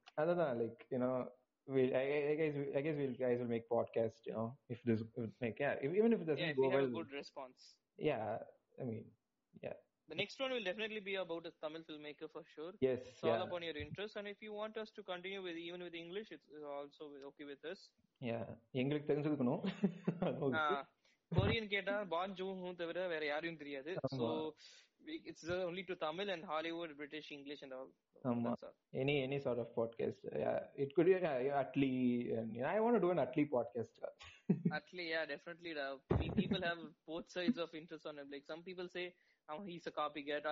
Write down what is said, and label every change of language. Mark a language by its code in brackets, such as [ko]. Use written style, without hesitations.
[en] other than like you know I guess we'll make podcast you know if this like even if it doesn't go we well have a good response I mean, the next one will definitely be about a Tamil filmmaker for sure. Yes. It's all upon your interest. And if you want us to continue with even with English, it's also okay with us. Yeah. [ta] எங்களுக்கு தெரிஞ்சிருக்கணும். Korean கேட்டா பான் June who தவிர வேற யாரையும் தெரியாது. [en] So it's only to Tamil and Hollywood, British, English and all. Any sort of podcast. Yeah. It could be Atli. I want to do an Atli podcast. Atli, yeah, definitely. People have both sides of interest on him. Like some people say, he's a copycat.